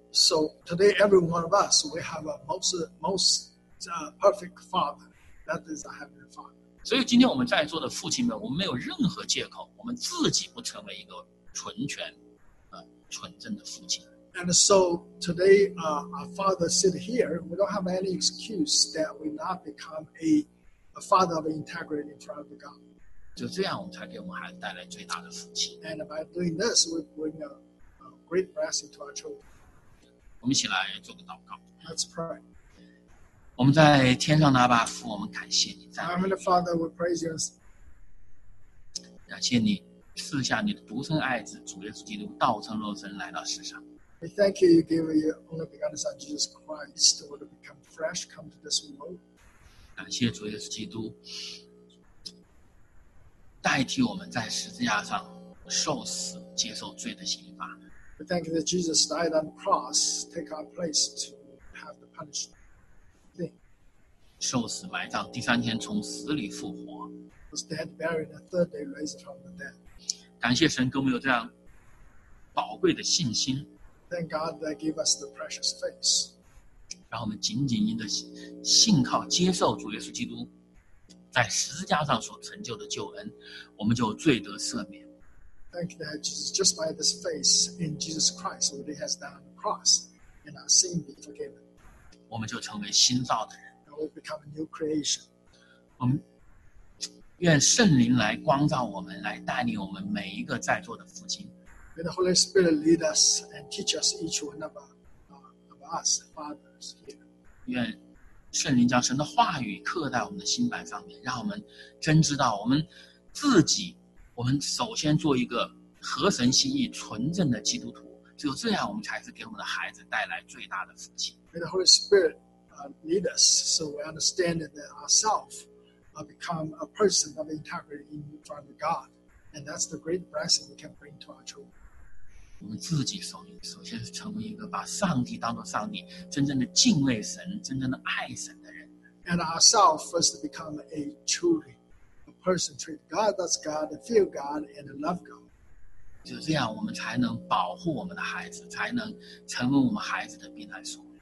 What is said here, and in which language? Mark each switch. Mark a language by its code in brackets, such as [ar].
[en] So today, every one of us, we have a most perfect father. That is a heavenly father. [zh] 所以今天我们在座的父亲们，我们没有任何借口，我们自己不成为一个纯全、纯正的父亲。 [en] And so today, our father sit here. We don't have any excuse that we not become a father of integrity in front of God. [zh] 就这样，我们才给我们孩子带来最大的福气。 [en] And by doing this, we bring a great blessing to our children. [zh] 我们一起来做个祷告。 [en] Let's pray. [zh] 我们在天上的阿爸父，我们感谢你。 [en] Heavenly Father, we praise you. [zh] 感谢你赐下你的独生爱子主耶稣基督道成肉身来到世上。 [en] We thank you, you gave your only begotten Son, Jesus Christ, to become flesh, come to this world. [zh] 感谢主耶稣基督代替我们在十字架上受死，接受罪的刑罚。 [en] We thank you that Jesus died on the cross, take our place to have the punishment. [zh] 对，受死埋葬，第三天从死里复活。 [en] Was dead, buried, the third day raised from the dead. [zh] 感谢神给我们有这样宝贵的信心。 [en] Thank God that gave us the precious faith. [zh] 让我们紧紧因着信靠接受主耶稣基督在十字架上所成就的救恩，我们就罪得赦免。 [en] Thank you that Jesus, just by this faith in Jesus Christ, what he has done on the cross, and our sin be forgiven. [zh] 我们就成为新造的人。 [en] And we become a new creation. [zh] 我们愿圣灵来光照我们，来带领我们每一个在座的父亲。 [en] May the Holy Spirit lead us and teach us each one of us, fathers here. [zh] 愿圣灵将神的话语刻在我们的心板上面，让我们真知道我们自己，我们首先做一个合神心意纯正的基督徒，只有这样我们才是给我们的孩子带来最大的福气。 [en] May the Holy Spirit lead us so we understand that ourselves become a person of integrity in front of God, and that's the great blessing we can bring to our children. [zh] 我们自己首先是成为一个把上帝当作上帝，真正的敬畏神，真正的爱神的人。 [en] And ourselves first become a truly a person treat God as God, feel God and love God. [zh] 就这样，我们才能保护我们的孩子，才能成为我们孩子的避难所。